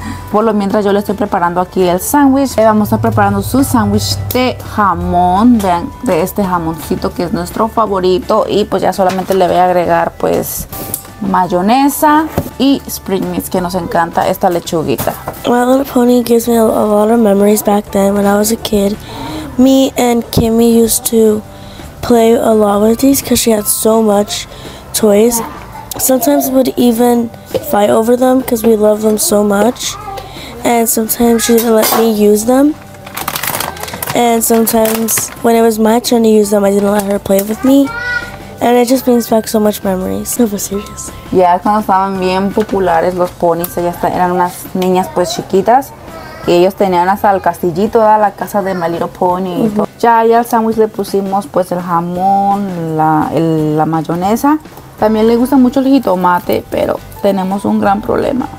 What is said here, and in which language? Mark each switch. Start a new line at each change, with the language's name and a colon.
Spanish: Por lo mientras yo le estoy preparando aquí el sándwich. Vamos a estar preparando su sándwich de jamón. Vean, de este jamoncito que es nuestro favorito. Y pues ya solamente le voy a agregar pues mayonesa y spring mix, que nos encanta esta lechuguita.
English: My Little Pony gives me a lot of memories back then when I was a kid. Me and Kimmy used to play a lot with these because she had so much toys. Sometimes we would even fight over them because we love them so much. And sometimes she didn't let me use them. And sometimes when it was my turn to use them, I didn't let her play with me. And it just brings back so much memories. No, but seriously.
Spanish: Yeah, cuando estaban bien populares los ponies, ellas eran unas niñas pues chiquitas. Que ellos tenían hasta el castillito, ¿verdad? La casa de My Little Pony. Uh-huh. Ya ahí al sándwich le pusimos pues el jamón, la mayonesa. También le gusta mucho el jitomate, pero tenemos un gran problema.